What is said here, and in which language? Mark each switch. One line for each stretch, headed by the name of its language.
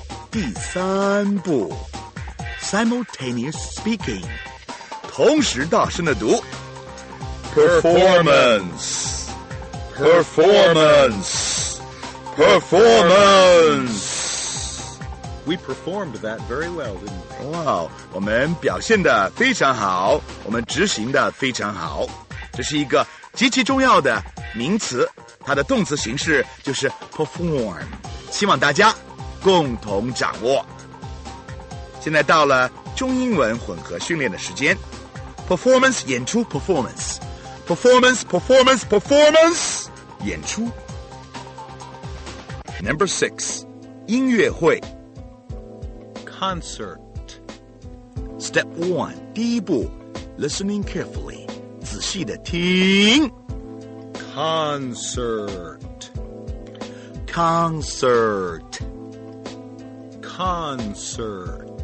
Chinese: 第三步
English: Simultaneous speaking.
Chinese: 同时大声地读
English: Performance. Performance. Performance. We performed that very well, didn't we?
Chinese: Wow, 我们表现得非常好，我们执行得非常好。这是一个极其重要的名词，它的动词形式就是 perform. 希望大家共同掌握。现在到了中英文混合训练的时间 Performance 演出
English: Performance Performance Performance Performance
Chinese: 演出
English: Number six
Chinese: 音乐会
English: Concert Step one
Chinese: 第一步
English: Listening carefully
Chinese: 仔细地听
English: Concert Concert Concert